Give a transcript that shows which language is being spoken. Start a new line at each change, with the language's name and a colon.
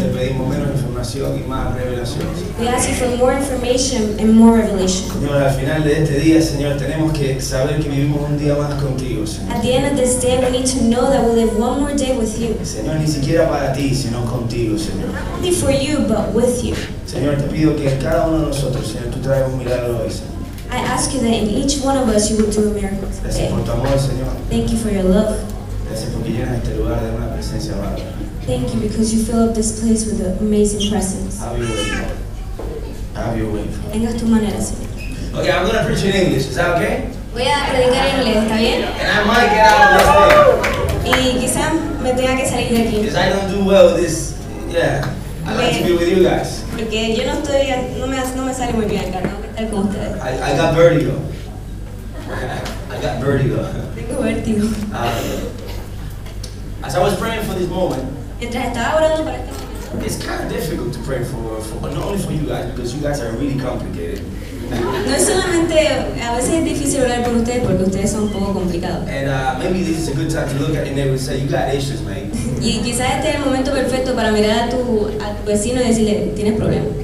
Spanish: Señor, te pedimos menos información y más revelación.
English: We ask you for more information and more revelation.
Spanish: Señor, al final de este día, Señor, tenemos que saber que vivimos un día más contigo, Señor.
English: At the end of this day, we need to know that we live one more day with you.
Spanish: Señor, ni siquiera para ti, sino contigo, Señor.
English: Not only for you, but with you.
Spanish: Señor, te pido que en cada uno de nosotros, Señor, tú traigas un milagro hoy, Señor.
English: I ask you that in each one of us you will do a miracle.
Spanish: Gracias por tu amor, Señor.
English: Thank you for your love.
Spanish: Gracias porque llenas este lugar de una presencia maravillosa.
English: Thank you because you fill up this place with an amazing presence. Have your way, Lord. Have your way.
Spanish: Tengas tu manera, Señor.
English: Okay, I'm going to preach in English. Is that okay?
Spanish: Voy a predicar en inglés, ¿está bien?
English: And I might get out of this thing.
Spanish: Y quizá me tenga que salir de aquí.
English: Because I don't do well with this. Yeah. I like to be with you guys.
Spanish: Porque yo no estoy, no me sale muy bien acá, ¿no?
English: I got vertigo. I got vertigo. As I was praying for this moment, it's kind of difficult to pray for not only for you guys, because you guys are really complicated.
Spanish: No es solamente, a veces es difícil orar por ustedes porque ustedes son un poco complicados.
English: And maybe this is a good time to look at your neighbor and say, you got issues, mate.
Spanish: Y quizás este es el momento perfecto para mirar a tu vecino y decirle, tienes problemas.